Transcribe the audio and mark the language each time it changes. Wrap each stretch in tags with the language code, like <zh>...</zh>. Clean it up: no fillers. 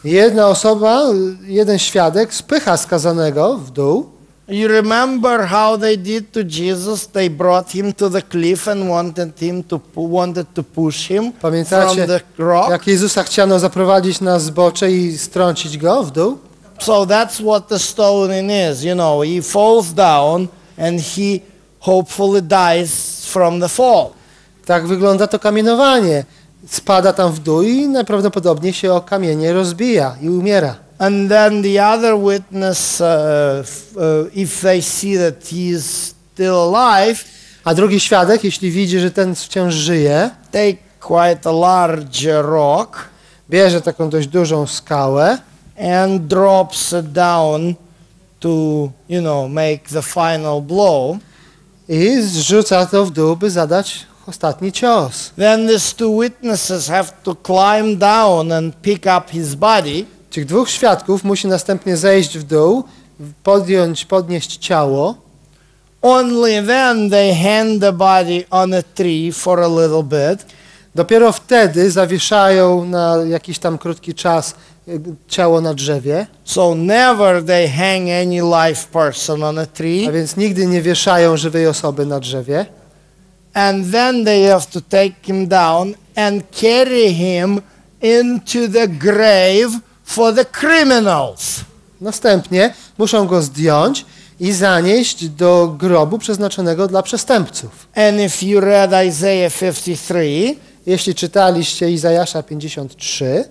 <pl>Jedna osoba, jeden świadek spycha skazanego w dół.</pl> <en>You remember how they did to Jesus? They brought him to the cliff and wanted to push him.</en> <pl>Pamiętacie,</pl> <en>from the rock?</en> <pl>Jak Jezusa chciano zaprowadzić na zbocze i strącić go w dół?</pl> <en>So that's what the stoning is, you know. He falls down and he hopefully dies from the fall.</en> <pl>Tak wygląda to kamienowanie. Spada tam w dół i najprawdopodobniej się o kamienie rozbija i umiera.</pl> <en>And then the other witness, if they see that he is still alive,</en> <pl>a drugi świadek, jeśli widzi, że ten wciąż żyje,</pl> <en>take quite a large rock,</en> <pl>bierze taką dość dużą skałę</pl> <en>and drops it down to, you know, make the final blow,</en> <pl>i zrzuca to w dół, by zadać ostatni cios.</pl> <en>Then these two witnesses have to climb down and pick up his body.</en> <pl>Tych dwóch świadków musi następnie zejść w dół, podnieść ciało.</pl> <en>Only then they hang the body on a tree for a little bit.</en> <pl>Dopiero wtedy zawieszają na jakiś tam krótki czas ciało na drzewie.</pl> <en>So never they hang any live person on a tree.</en> <pl>A więc nigdy nie wieszają żywej osoby na drzewie.</pl> <en>And then they have to take him down and carry him into the grave for the criminals.</en> <pl>Następnie muszą go zdjąć i zanieść do grobu przeznaczonego dla przestępców.</pl> <en>And if you read Isaiah 53,</en> <pl>jeśli czytaliście Izajasza 53,</pl>